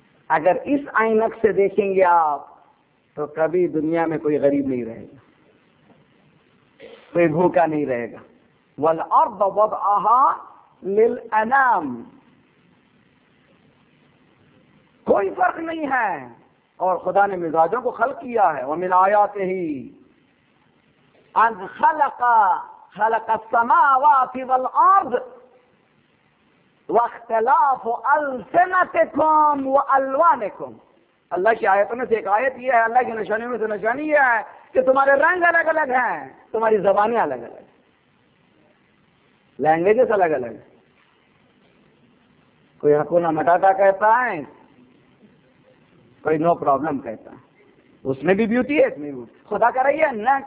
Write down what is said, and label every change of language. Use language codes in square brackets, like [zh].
[ur] اگر اس آئینک سے دیکھیں گے آپ تو کبھی دنیا میں کوئی غریب نہیں رہے گا, کوئی بھوکا نہیں رہے گا. [ar] والارض وضعها للانام, [ur] کوئی فرق نہیں ہے, اور خدا نے مزاجوں کو خلق کیا ہے. [ar] ومن آیاته ان خلق خلق السماوات والارض واختلاف السنتكم والوانكم, [ur] اللہ کی آیتوں میں سے ایک آیت یہ ہے, اللہ کی نشانیوں میں سے نشانی یہ ہے کہ تمہارے رنگ الگ الگ ہیں, تمہاری زبانیں الگ الگ, لینگویجز الگ الگ. کوئی حکونہ مٹاتا کہتا ہے, کوئی [en] no problem [ur] کہتا ہے, اس میں بھی بیوٹی ہے, اس میں بھی خدا کر رہی ہے نہ.